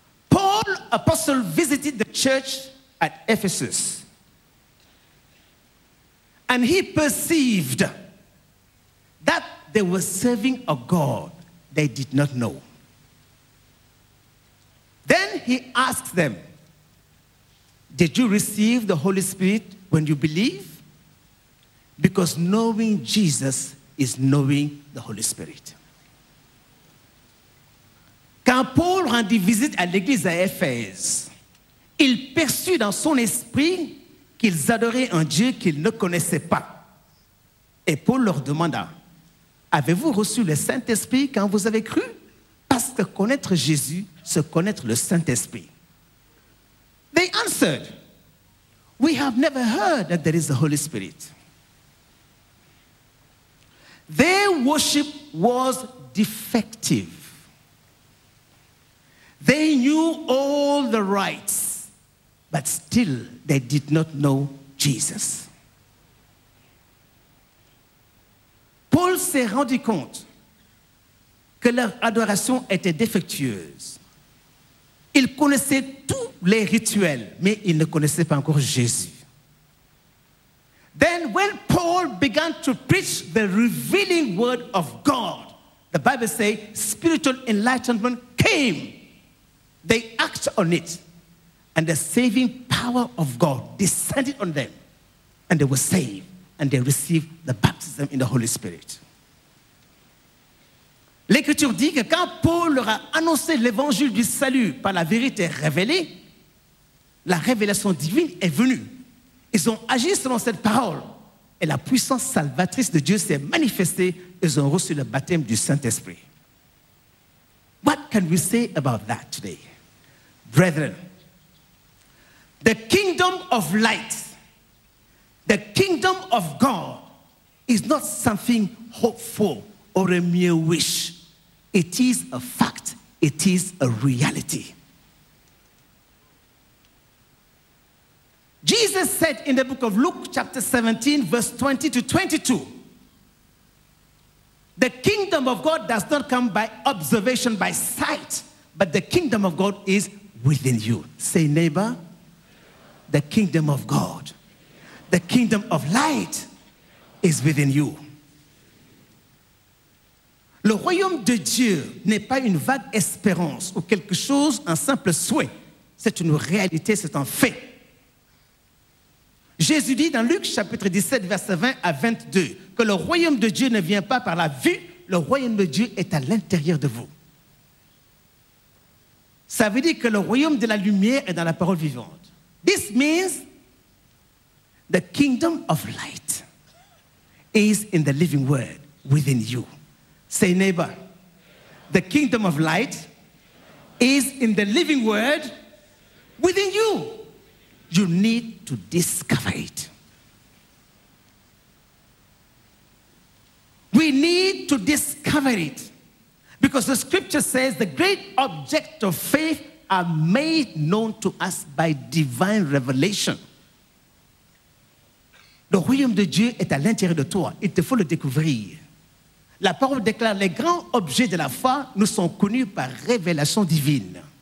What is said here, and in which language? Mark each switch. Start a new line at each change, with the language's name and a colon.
English: Paul, apostle, visited the church at Ephesus, and he perceived that they were serving a God they did not know. Then he asked them, "Did you receive the Holy Spirit when you believe? Because knowing Jesus is knowing the Holy Spirit."
French: Quand Paul rendit visite à l'église à Éphèse, il perçut dans son esprit qu'ils adoraient un Dieu qu'ils ne connaissaient pas. Et Paul leur demanda, "Avez-vous reçu le Saint-Esprit quand vous avez cru? Parce que connaître Jésus, c'est connaître le Saint-Esprit."
English: They answered, "We have never heard that there is the Holy Spirit." Their worship was defective. They knew all the rites, but still they did not know Jesus.
French: Paul s'est rendu compte que leur adoration était défectueuse. Ils connaissaient tous les rituels, mais ils ne connaissaient pas encore Jésus.
English: Then when Paul began to preach the revealing word of God, the Bible says spiritual enlightenment came. They acted on it, and the saving power of God descended on them, and they were saved, and they received the baptism in the Holy Spirit.
French: L'Écriture dit que quand Paul leur a annoncé l'évangile du salut par la vérité révélée, la révélation divine est venue. Ils ont agi selon cette parole, et la puissance salvatrice de Dieu s'est manifestée. Ils ont reçu le baptême du Saint-Esprit.
English: What can we say about that today? Brethren, the kingdom of light, the kingdom of God, is not something hoped for or a mere wish. It is a fact. It is a reality. Jesus said in the book of Luke, chapter 17, verse 20 to 22, "The kingdom of God does not come by observation, by sight, but the kingdom of God is within you." Say, neighbor, the kingdom of God, the kingdom of light is within you.
French: Le royaume de Dieu n'est pas une vague espérance ou quelque chose, un simple souhait. C'est une réalité, c'est un fait. Jésus dit dans Luc, chapitre 17, verset 20 à 22, que le royaume de Dieu ne vient pas par la vue, le royaume de Dieu est à l'intérieur de vous. Ça veut dire que le royaume de la lumière est dans la parole vivante.
English: This means the kingdom of light is in the living word within you. Say, neighbor, the kingdom of light is in the living word within you. You need to discover it. We need to discover it. Because the scripture says the great object of faith are made known to us by divine revelation.
French: Le royaume de Dieu est à l'intérieur de toi. Il te faut le découvrir. La parole déclare les grands objets de la foi nous sont connus par révélation divine.